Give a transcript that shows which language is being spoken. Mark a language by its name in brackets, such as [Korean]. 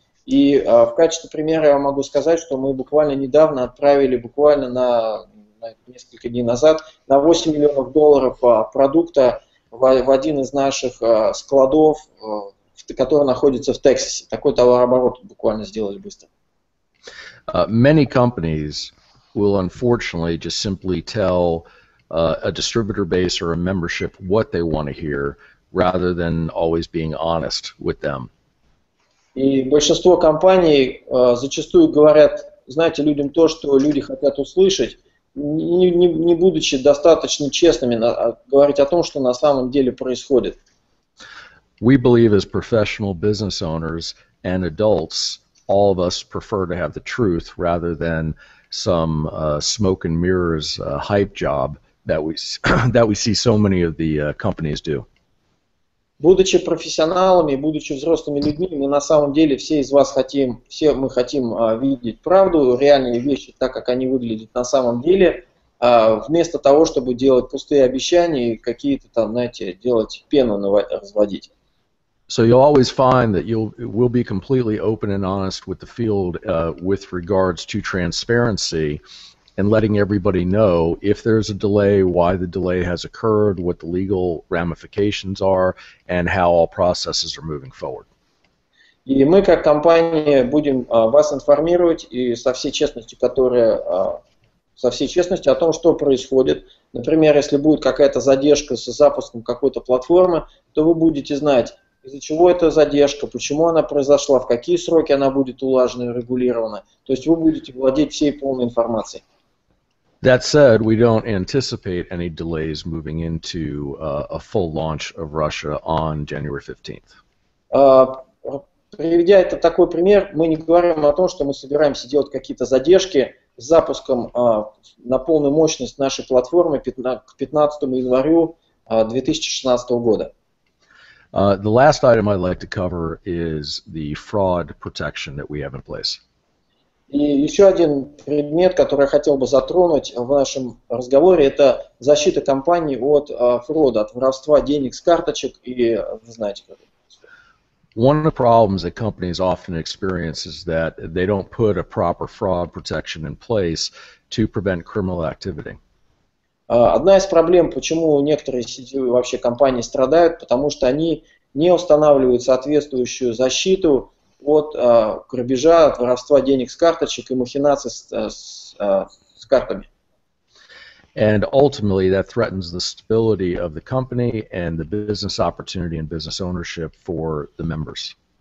[Russian] И в качестве примера я могу сказать, что мы буквально недавно отправили, буквально на несколько дней назад, на $8 million продукта в один из наших складов, который находится в Тексасе. Такой товарооборот буквально сделали быстро. [English] Many companies will unfortunately just simply tell a distributor base or a membership what they want to hear, rather than always being honest with them. [Russian] И большинство компаний зачастую говорят, знаете, людям то, что люди хотят услышать, не будучи достаточно честными, говорить о том, что на самом деле происходит. [English] We believe as professional business owners and adults, all of us prefer to have the truth rather than some smoke and mirrors hype job that we see so many of the companies do. [Russian] Будучи профессионалами, будучи взрослыми людьми, мы на самом деле все из вас хотим, все мы хотим видеть правду, реальные вещи, так как они выглядят на самом деле, вместо того, чтобы делать пустые обещания и какие-то там, знаете, делать пену разводить. [English] So you'll always find that we'll be completely open and honest with the field with regards to transparency and letting everybody know if there's a delay, why the delay has occurred, what the legal ramifications are, and how all processes are moving forward. [Russian] И мы как компания будем вас информировать и со всей честностью, которая со всей честностью о том, что происходит. Например, если будет какая-то задержка с запуском какой-то платформы, то вы будете знать, из-за чего эта задержка, почему она произошла, в какие сроки она будет улажена и регулирована. То есть вы будете владеть всей полной информацией. [English] That said, we don't anticipate any delays moving into a full launch of Russia on January 15th. [Russian] Приведя это такой пример, мы не говорим о том, что мы собираемся делать какие-то задержки с запуском на полную мощность нашей платформы к 15 января 2016 года. [English] The last item I'd like to cover is the fraud protection that we have in place. [Russian] И еще один предмет, который я хотел бы затронуть в нашем разговоре, это защита компании от фрода, от воровства денег с карточек и, знаете, как это. [English] One of the problems that companies often experience is that they don't put a proper fraud protection in place to prevent criminal activity. [Russian] Одна из проблем, почему некоторые сетевые вообще компании страдают, потому что они не устанавливают соответствующую защиту от грабежа, от воровства денег с карточек и махинаций с картами. [English] And ultimately that threatens the stability of the company and the business opportunity and business ownership for the members.